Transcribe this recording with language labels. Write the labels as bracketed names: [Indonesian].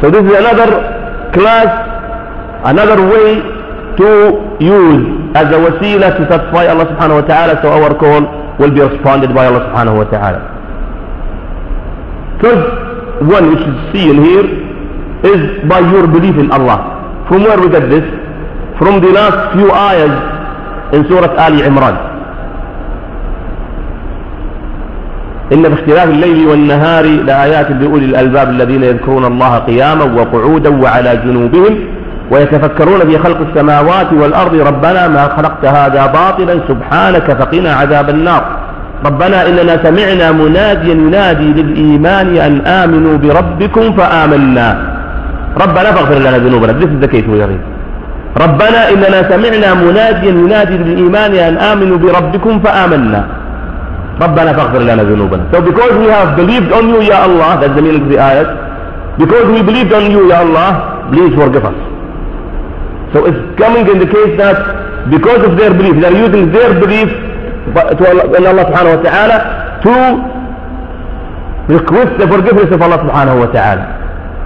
[English] So this is another class, another way to use as a wasila to satisfy Allah subhanahu wa ta'ala so our call will be responded by Allah subhanahu wa ta'ala. First one which is seen here is by your belief in Allah. From where we get this? From the last few ayahs in Surah Ali Imran. [Arabic] إن في اختلاف الليل والنهار لآيات لأولي الألباب الذين يذكرون الله قياما وقعودا وعلى جنوبهم ويتفكرون في خلق السماوات والأرض ربنا ما خلقت هذا باطلا سبحانك فقنا عذاب النار. ربنا إننا سمعنا مناديا ينادي للإيمان أن آمنوا بربكم فآمنا. ربنا فاغفر لنا ذنوبنا. ليس الزكية ويريد. ربنا إننا سمعنا مناديا ينادي للإيمان أن آمنوا بربكم فآمنا. ربنا فاغفر لنا ذنوبنا. [English] So because we have believed on you [Arabic] يا الله, [English] that's the meaning of the ayat. Because we believed on you [Arabic] يا الله, [English] please forgive us. So it's coming in the case that because of their belief, they're using their belief to Allah subhanahu wa ta'ala to request the forgiveness of Allah subhanahu wa ta'ala.